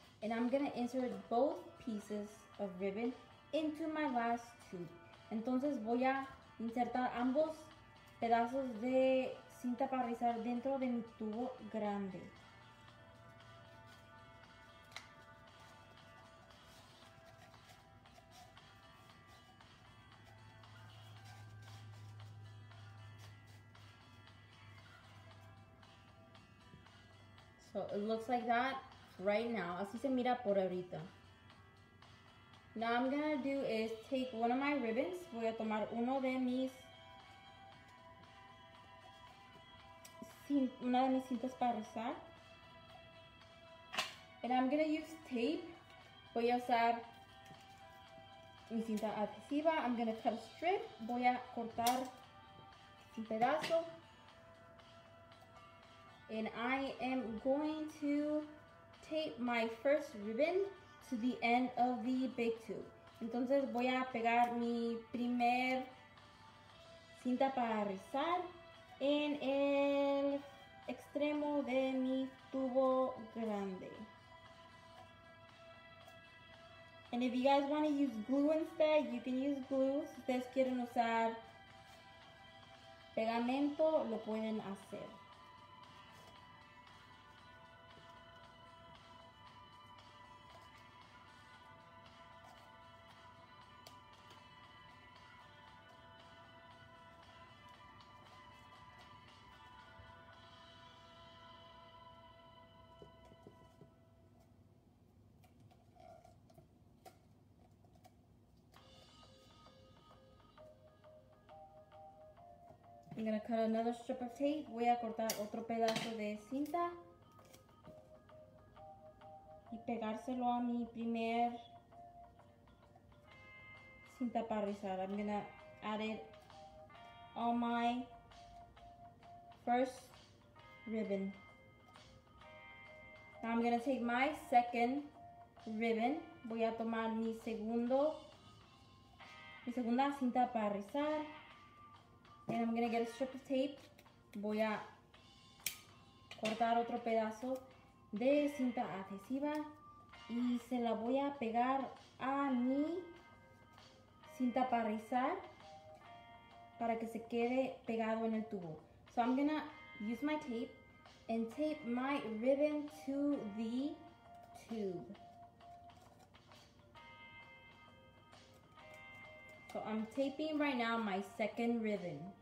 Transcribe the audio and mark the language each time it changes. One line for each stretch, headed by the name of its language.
English: And I'm gonna insert both pieces of ribbon into my last tube.
Spanish: Entonces voy a insertar ambos pedazos de cinta para rizar dentro de mi tubo grande.
English: So it looks like that right now.
Spanish: Así se mira por ahorita.
English: Now I'm gonna do is take one of my ribbons.
Spanish: Voy a tomar uno de mis una de mis cintas para rizar.
English: And I'm gonna use tape.
Spanish: Voy a usar mi cinta adhesiva.
English: I'm gonna cut a strip.
Spanish: Voy a cortar un pedazo.
English: And I am going to tape my first ribbon to the end of the big tube.
Spanish: Entonces voy a pegar mi primer cinta para rizar en el extremo de mi tubo grande.
English: And if you guys want to use glue instead, you can use glue.
Spanish: Si ustedes quieren usar pegamento, lo pueden hacer.
English: I'm gonna cut another strip of tape.
Spanish: Voy a cortar otro pedazo de cinta y pegárselo a mi primer cinta para rizar.
English: I'm gonna add it on my first ribbon. Now I'm gonna take my second ribbon.
Spanish: Voy a tomar mi segunda cinta para rizar.
English: And I'm gonna get a strip of tape.
Spanish: Voy a cortar otro pedazo de cinta adhesiva y se la voy a pegar a mi cinta para rizar para que se quede pegado en el tubo.
English: So I'm gonna use my tape and tape my ribbon to the tube. So I'm taping right now my second ribbon.